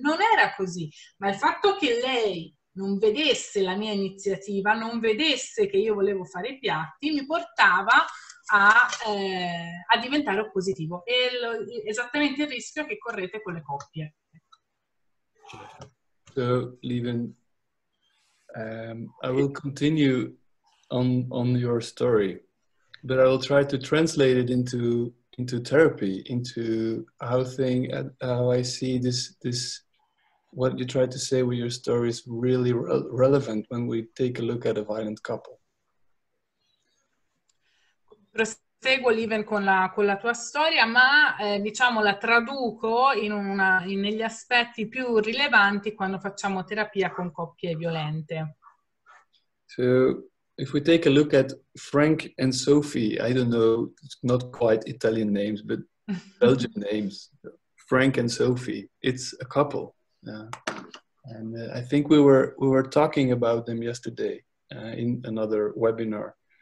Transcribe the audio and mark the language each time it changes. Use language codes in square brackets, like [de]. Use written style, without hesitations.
[it] Non era così, ma il fatto che lei non vedesse la mia iniziativa, non vedesse che io volevo fare i piatti, mi portava a diventare oppositivo. E esattamente il rischio che correte con le coppie. [en] So, Lieven, I will continue on your story. But I will try to translate it into therapy, into how I see this what you try to say with your story is really relevant when we take a look at a violent couple. [it] Proseguo Lieven con la tua storia, ma diciamo la traduco negli aspetti più rilevanti quando facciamo terapia con coppie violente. [en] So, if we take a look at Frank and Sophie, I don't know, it's not quite Italian names, but Belgian names, Frank and Sophie, it's a couple. I think we were talking about them yesterday in another webinar.